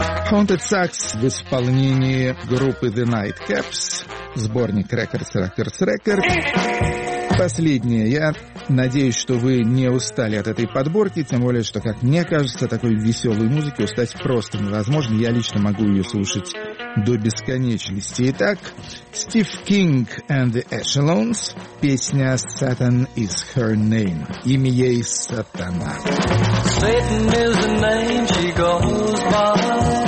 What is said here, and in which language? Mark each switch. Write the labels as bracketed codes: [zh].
[ru] Haunted Sax в исполнении группы The Night Caps, сборник Records, Records, Records. Последнее. Я надеюсь, что вы не устали от этой подборки, тем более, что, как мне кажется, такой веселой музыки устать просто невозможно. Я лично могу ее слушать до бесконечности. Итак, Steve King and the Echelons, песня «Satan is her name». Имя ей Сатана. [en] Satan is the name she goes by.